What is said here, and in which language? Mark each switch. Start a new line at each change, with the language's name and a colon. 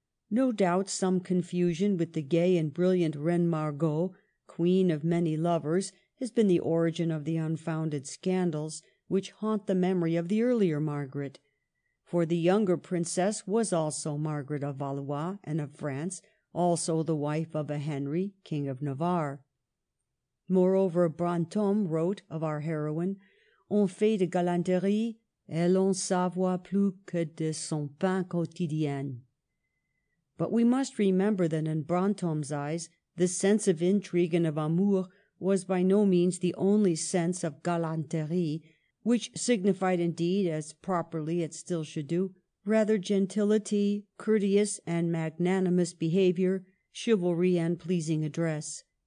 English: No doubt some confusion with the gay and brilliant Reine Margot, queen of many lovers, has been the origin of the unfounded scandals which haunt the memory of the earlier Margaret. For the younger princess was also Margaret of Valois and of France, also the wife of a Henry, King of Navarre. Moreover, Brantôme wrote of our heroine,
French: "On fait de galanterie, elle en savoit plus que de son pain quotidien."
English: But we must remember that in Brantôme's eyes, the sense of intrigue and of amour was by no means the only sense of galanterie, which signified indeed, as properly it still should do, rather gentility, courteous and magnanimous behavior, chivalry and pleasing address.